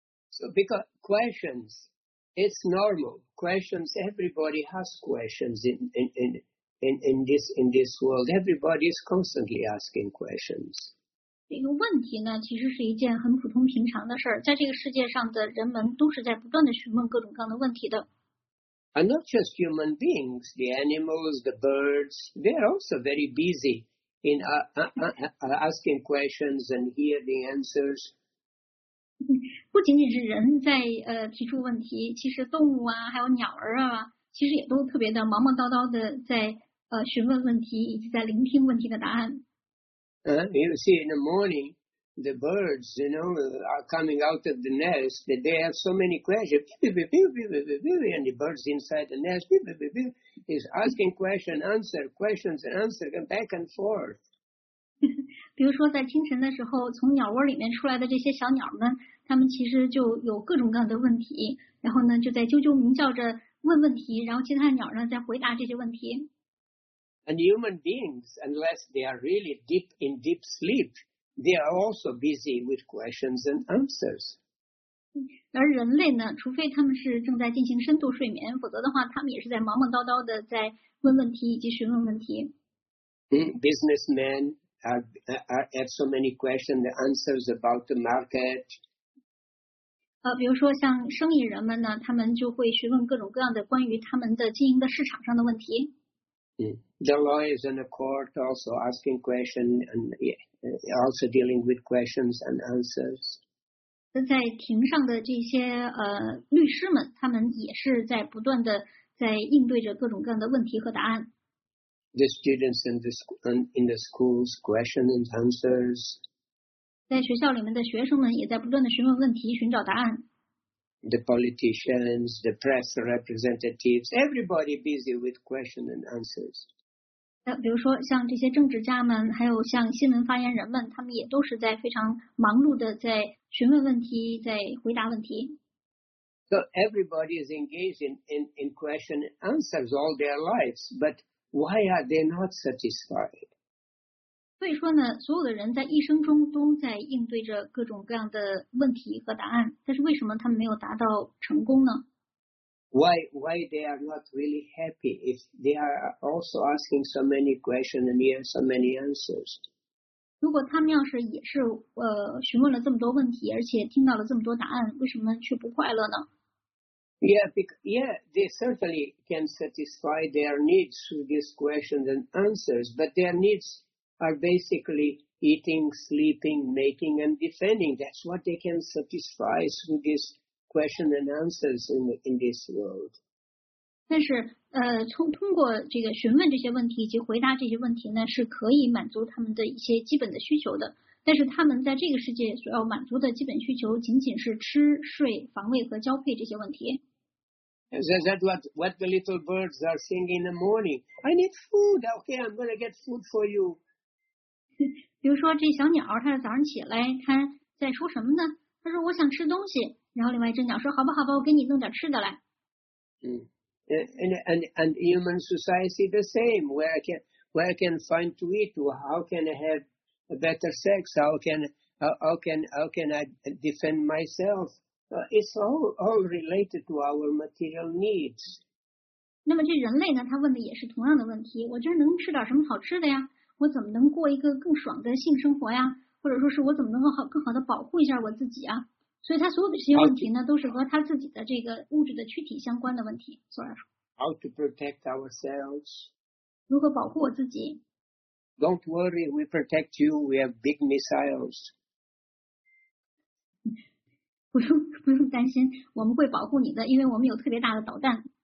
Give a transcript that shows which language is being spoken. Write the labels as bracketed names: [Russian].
[English] So because questions, it's normal. Questions, everybody has questions in this world. Everybody is constantly asking questions. [Chinese] 这个问题呢，其实是一件很普通平常的事儿。在这个世界上的人们都是在不断的询问各种各样的问题的。 [English] And not just human beings, the animals, the birds, they're also very busy in asking questions and hear the answers. [Chinese] 不仅仅是人在提出问题，其实动物啊，还有鸟儿啊，其实也都特别的忙忙叨叨的在询问问题，以及在聆听问题的答案。 [English] You see, in the morning, the birds, you know, are coming out of the nest, that they have so many questions. And the birds inside the nest is asking questions, answer questions, and answer back and forth. [Chinese] 比如说在清晨的时候，从鸟窝里面出来的这些小鸟们，他们其实就有各种各样的问题，然后呢就在啾啾鸣叫着问问题，然后其他鸟呢在回答这些问题。 [English] And human beings, unless they are really deep in deep sleep, they are also busy with questions and answers. [Chinese] 而人类呢，除非他们是正在进行深度睡眠，否则的话，他们也是在忙忙叨叨的在问问题以及询问问题。 [English] Businessmen have so many questions and answers about the market. [Chinese] 比如说像生意人们呢，他们就会询问各种各样的关于他们的经营的市场上的问题。 [English] The lawyers in the court also asking questions and also dealing with questions and answers. [Chinese] 在庭上的这些律师们，他们也是在不断的在应对着各种各样的问题和答案。 [English] The students in the schools questions and answers. [Chinese] 在学校里面的学生们也在不断的询问问题，寻找答案。 [English] The politicians, the press representatives, everybody busy with questions and answers. [Chinese] 比如说像这些政治家们，还有像新闻发言人们，他们也都是在非常忙碌的在询问问题，在回答问题。 [English] So everybody is engaged in question and answers all their lives, but why are they not satisfied? [Chinese] 所以说呢，所有的人在一生中都在应对着各种各样的问题和答案，但是为什么他们没有达到成功呢？ [English] Why they are not really happy if they are also asking so many questions and hear so many answers? [Chinese] 如果他们要是也是询问了这么多问题，而且听到了这么多答案，为什么却不快乐呢？ [English] Yeah, they certainly can satisfy their needs through these questions and answers, but their needs are basically eating, sleeping, mating, and defending. That's what they can satisfy through this. Questions and answers in this world. [Chinese] 但是通过这个询问这些问题以及回答这些问题呢，是可以满足他们的一些基本的需求的。但是他们在这个世界所要满足的基本需求，仅仅是吃、睡、防卫和交配这些问题。 [English] That's what the little birds are saying in the morning. I need food. Okay, I'm going to get food for you. [Chinese] 比如说这小鸟，它早上起来，它在说什么呢？它说我想吃东西。然后另外一只鸟说：“好吧，好吧，我给你弄点吃的来。” [English] And human society the same. Where I can find to eat? How can I have a better sex? How can I defend myself? It's all related to our material needs. [Chinese] 那么这人类呢？他问的也是同样的问题。我这能吃点什么好吃的呀？我怎么能过一个更爽的性生活呀？或者说是我怎么能够更好的保护一下我自己啊？所以他所有的这些问题呢，都是和他自己的这个物质的躯体相关的问题。所以说 [English] ，How to protect ourselves？ [Chinese] 如何保护我自己 [English] ？Don't worry, we protect you. We have big missiles. [Chinese] 不用担心，我们会保护你的，因为我们有特别大的导弹。